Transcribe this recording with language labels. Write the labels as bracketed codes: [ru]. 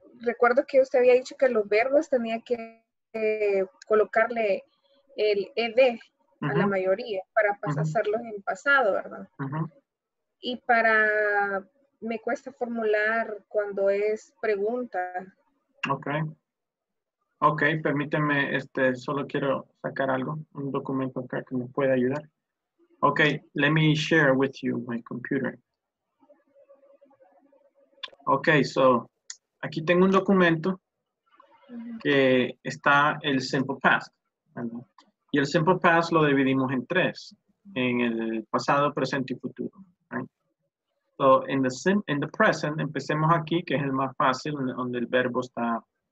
[es] Recuerdo que usted había dicho que los verbos tenía que colocarle el ed a la mayoría para pasarlos en pasado, ¿verdad? Y para, me cuesta formular cuando es pregunta. Ok, permíteme, solo quiero sacar algo, un documento acá que me pueda ayudar. [en] Ok, let me share with you my computer. Ok, so... [es] aquí tengo un documento que está el simple past. Y el simple past lo dividimos en tres. En el pasado, presente y futuro. [en] Right? So, in the present, [es] empecemos aquí, que es el más fácil, donde el verbo está.